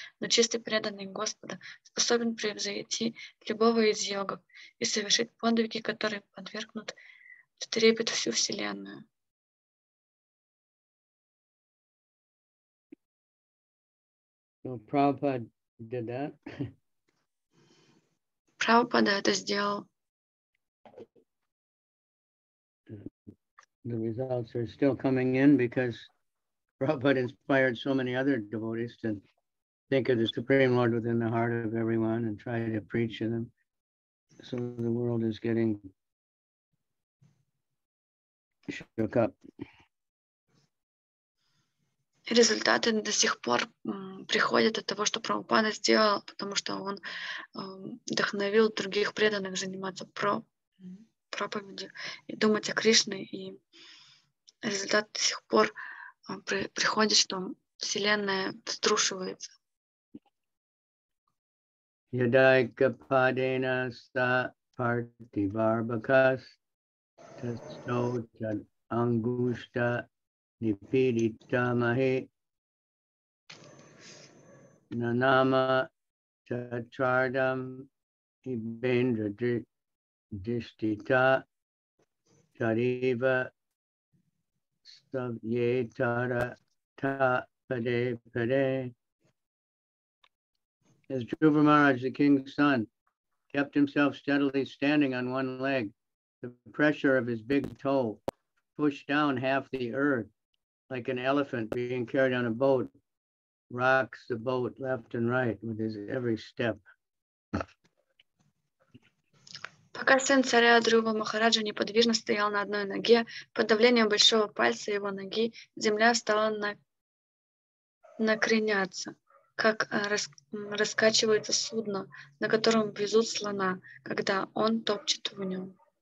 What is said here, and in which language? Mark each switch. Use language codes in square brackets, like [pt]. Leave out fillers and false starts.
[ru] Но чистый преданный Господа способен превзойти любого из йогов и совершить подвиги, которые подвергнут в трепет всю Вселенную. [en] So, Prabhupada did that. [ru] Prabhupada это сделал. [en] The results are still coming in because Prabhupada inspired so many other devotees to think of the Supreme Lord within the heart of everyone and try to preach to them. So the world is getting shook up. [ru] Результаты до сих пор приходят от того, что Прабхупада сделал, потому что он вдохновил других преданных заниматься проповедью и думать о Кришне. И результат до сих пор приходит, что Вселенная струшивается. [sa] Ядайкападена са парти барбакас тасто чад ангушта нипидита махи Nanama Chachardam Ibendra Dishtita Chariva Savyetara Ta Pade Pade. [en] As Dhruva Maharaj, the king's son, kept himself steadily standing on one leg, the pressure of his big toe pushed down half the earth like an elephant being carried on a boat. Rocks the boat left and right with his every step. [ru] Пока сын царя Дхрува Махараджа неподвижно стоял на одной ноге, под давлением большого пальца его ноги земля стала накреняться, как раскачивается судно, на котором везут слона, когда он топчет в нем.